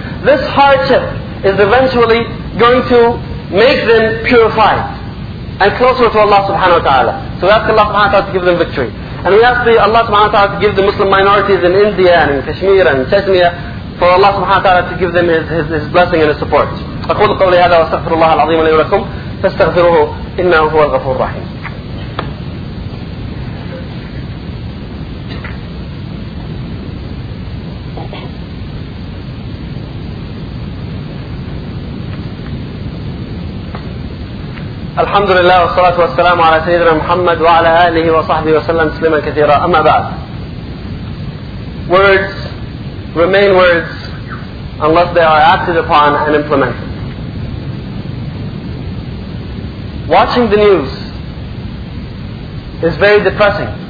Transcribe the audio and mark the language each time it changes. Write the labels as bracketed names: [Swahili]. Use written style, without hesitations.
[English] this hardship is eventually going to make them purified and closer to Allah subhanahu wa ta'ala. So we ask Allah subhanahu wa ta'ala to give them victory. And we ask Allah subhanahu wa ta'ala to give the Muslim minorities in India and in Kashmir and Chechnya, for Allah subhanahu wa ta'ala to give them his blessing and his support. [Arabic] أقول قولي هذا واستغفر الله العظيم لي ولكم فاستغفروه إنه هو الغفور الرحيم. الحمد لله والصلاة والسلام على سيدنا محمد وعلى آله وصحبه وسلم تسليما كثيرا. أما بعد, [English] words remain words unless they are acted upon and implemented. Watching the news is very depressing.